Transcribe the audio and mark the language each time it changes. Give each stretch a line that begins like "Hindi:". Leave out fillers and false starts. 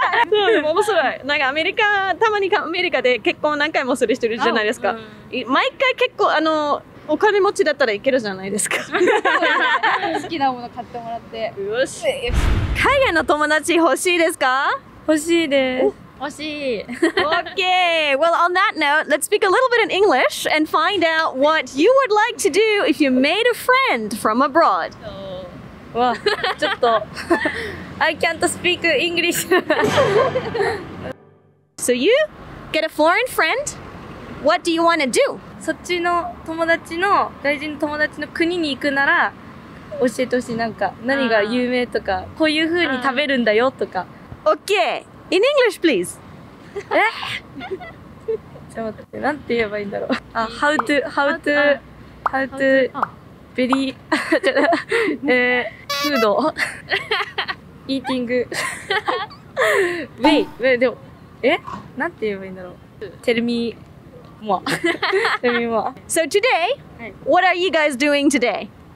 Japanese: そうでも面白い。なんかアメリカ、たまにアメリカで結婚何回もする人いるじゃないですか。毎回結構、お金持ちだったらいけるじゃないですか。好きなもの買ってもらって。よし。海外の友達欲しいですか？欲しいです。欲しい。
English: Okay. Well, on that note, let's speak a little bit in English and find out what you would like to do if you made a friend from abroad.
Japanese: わ、ちょっと。
English: I can't speak English. So you get a foreign friend. What do you want to do?
Japanese: そっちの友達の外人の友達の国に行くなら教えてほしい。なんか何が有名とかこういう風に食べるんだよとか。
English: Okay. In English, please.
Japanese: ちょっと待って。なんて言えばいいんだろう。あ、how to ベリーじゃあフード。Eating. wait, でも、え？なんて言えばいいんだろう。
English: Tell me more. Tell me more. So today,、はい、what are you guys doing today?